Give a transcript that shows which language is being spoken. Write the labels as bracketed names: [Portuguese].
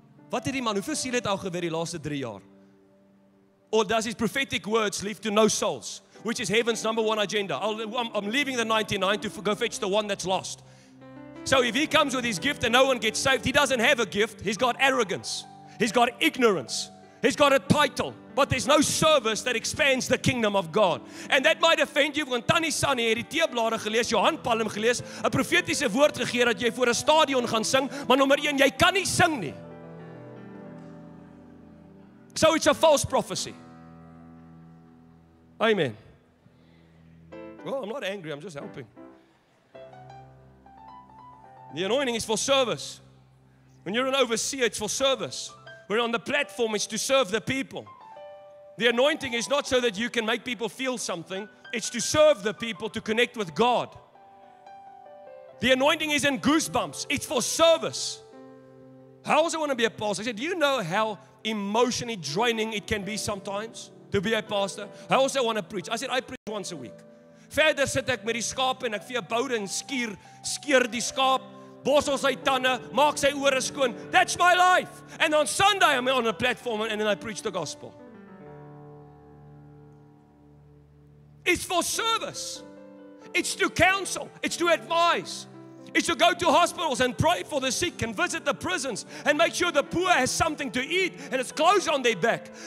[Afrikaans] Wat het die man, hoeveel siele het al gewer die laaste 3 jaar? [English] Or does his prophetic words lead to no souls, which is heaven's number one agenda? I'm leaving the 99 to go fetch the one that's lost. So if he comes with his gift and no one gets saved, he doesn't have a gift. He's got arrogance. He's got ignorance. He's got a title. But there's no service that expands the kingdom of God. And that might offend you. [Afrikaans] Want Tannie Sunny het die teeblare gelees, Johan Palm gelees, 'n profetiese woord gegee dat jy voor 'n stadion gaan sing. Maar nommer 1, jy kan nie sing nie. [English] So it's a false prophecy. Amen. Well, I'm not angry. I'm just helping. The anointing is for service. When you're an overseer, it's for service. We're on the platform, it's to serve the people. The anointing is not so that you can make people feel something. It's to serve the people, to connect with God. The anointing is in goosebumps. It's for service. How else I want to be a pastor? I said, do you know how emotionally draining it can be sometimes to be a pastor? I also want to preach. I said, I preach once a week. [Afrikaans] Verder sit ek met die skaap en ek vee boude en skeer die skaap. Borsel sy tande, maak sy ore skoon. [English] That's my life. And on Sunday I'm on a platform and then I preach the gospel. It's for service. It's to counsel. It's to advise. It's to go to hospitals and pray for the sick and visit the prisons and make sure the poor has something to eat and has clothes on their back.